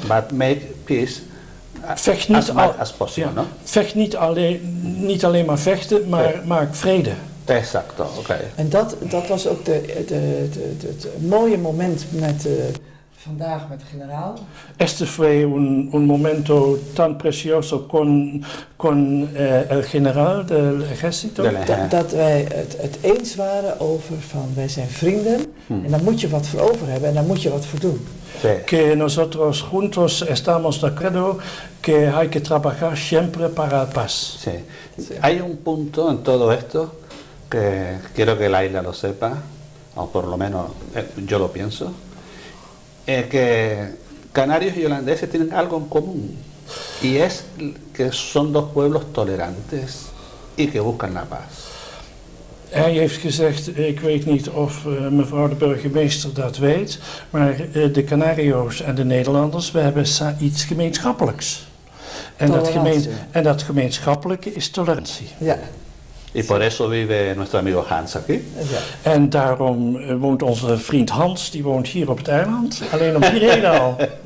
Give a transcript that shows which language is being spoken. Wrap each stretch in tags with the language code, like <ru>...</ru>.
<en>But make peace as much as possible, yeah. No?</en> <nl>Vecht niet alleen maar vechten, maar maak vrede.</nl> <es>Exacto, okay.</es> <nl>En dat was ook het mooie moment vandaag met de generaal.</nl> <es>Este fue un momento tan precioso con el general del ejército.</es> <nl>Dat wij het eens waren over van wij zijn vrienden en daar moet je wat voor over hebben en daar moet je wat voor doen.</nl> <es>Sí. Que nosotros juntos estamos de acuerdo que hay que trabajar siempre para la paz. Sí. Sí. Hay un punto en todo esto que quiero que Laila lo sepa, o por lo menos yo lo pienso. Que canarios y holandeses tienen algo en común y es que son dos pueblos tolerantes y que buscan la paz.</es> <nl>Hij heeft gezegd, ik weet niet of mevrouw de burgemeester dat weet, maar de Canario's en de Nederlanders, we hebben iets gemeenschappelijks. En dat gemeenschappelijke is tolerantie. Ja.</nl> <es>Y por eso vive nuestro amigo Hans aquí.</es> <nl>En daarom woont onze vriend Hans, die woont hier op het eiland, alleen om die reden al.</nl>